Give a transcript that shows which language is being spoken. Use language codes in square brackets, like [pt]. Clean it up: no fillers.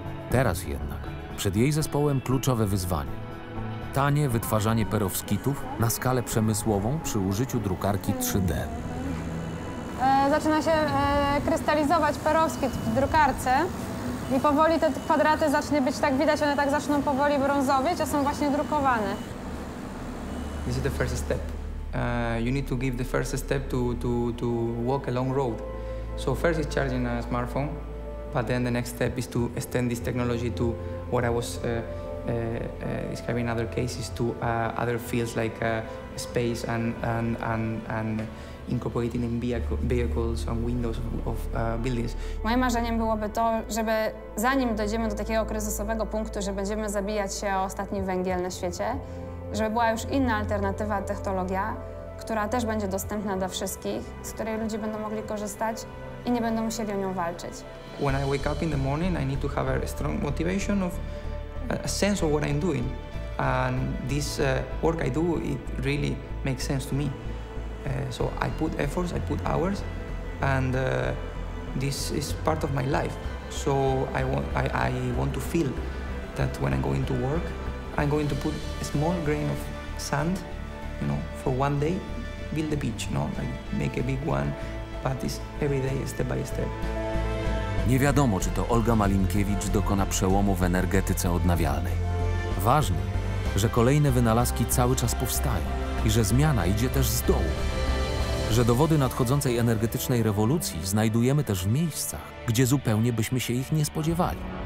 [pl] Teraz jednak przed jej zespołem kluczowe wyzwanie. Tanie wytwarzanie perowskitów na skalę przemysłową przy użyciu drukarki 3D. Zaczyna się krystalizować perowskit w drukarce i powoli te kwadraty zacznie być tak widać, one tak zaczną powoli brązowieć, a są właśnie drukowane. [en] This is the first step. You need to give the first step to walk a long road. So first is charging a smartphone, but then the next step is to extend this technology to what I was describing other cases to other fields like space and incorporating in vehicles and windows of buildings. [pl] Moim marzeniem byłoby to, żeby zanim dojdziemy do takiego kryzysowego punktu, że będziemy zabijać się o ostatni węgiel na świecie, żeby była już inna alternatywa, technologia, która też będzie dostępna dla wszystkich, z której ludzie będą mogli korzystać i nie będą musieli o nią walczyć. [en] When I wake up in the morning, I need to have a strong motivation of a sense of what I'm doing, and this work I do, it really makes sense to me. So I put efforts, I put hours, and this is part of my life. So I want to feel that when I'm going to work, I'm going to put a small grain of sand, you know, for one day, build a beach, you know, like make a big one, but it's every day, step by step. [pl] Nie wiadomo, czy to Olga Malinkiewicz dokona przełomu w energetyce odnawialnej. Ważne, że kolejne wynalazki cały czas powstają i że zmiana idzie też z dołu. Że dowody nadchodzącej energetycznej rewolucji znajdujemy też w miejscach, gdzie zupełnie byśmy się ich nie spodziewali.